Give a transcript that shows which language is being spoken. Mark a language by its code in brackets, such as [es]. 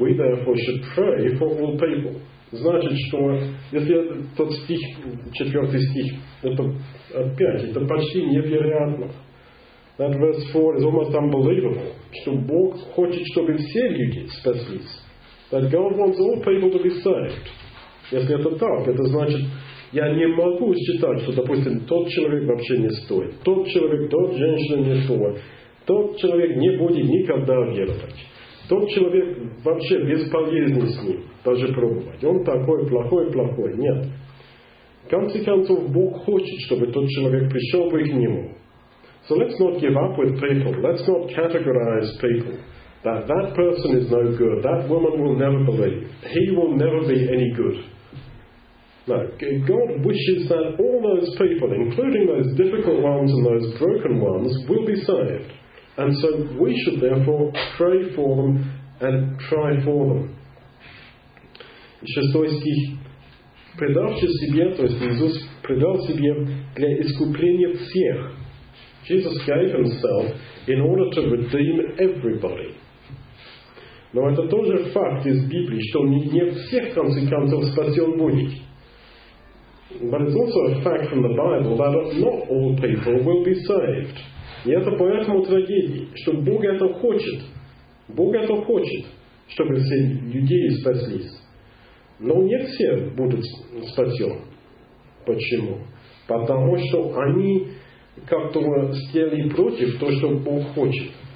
[en] We therefore should pray for all people. [ru] Значит, что если тот стих, четвертый стих, это опять, это почти невероятно. [en] That verse 4 is almost unbelievable. [ru] Что Бог хочет, чтобы все люди спаслись. [en] That God wants all people to be saved. [ru] Если это так, это значит, я не могу считать, что, допустим, тот человек вообще не стоит. Тот человек, тот женщина не стоит. Тот человек не будет никогда веровать. Тот человек вообще бесполезен с ним даже пробовать. Он такой плохой. Нет. В конце концов, Бог хочет, чтобы тот человек пришел бы к нему. [en] So let's not give up with people. Let's not categorize people. That person is no good. That woman will never believe. He will never be any good. No, God wishes that all those people, including those difficult ones and those broken ones, will be saved. And so we should therefore pray for them and try for them. [ru] Шестой стих. Предавши себе, то есть Иисус предал себе для искупления всех. [en] Jesus gave himself in order to redeem everybody. [ru] Но это тоже факт из Библии, что не всех, в конце концов, спасен будет. [en] But it's also a fact from the Bible that not all people will be saved. [ru] И это поэтому трагедия, что Бог это хочет. Бог это хочет, чтобы все люди спаслись. Но не все будут спасены. Почему? Потому что они как-то стояли против того, что Бог хочет.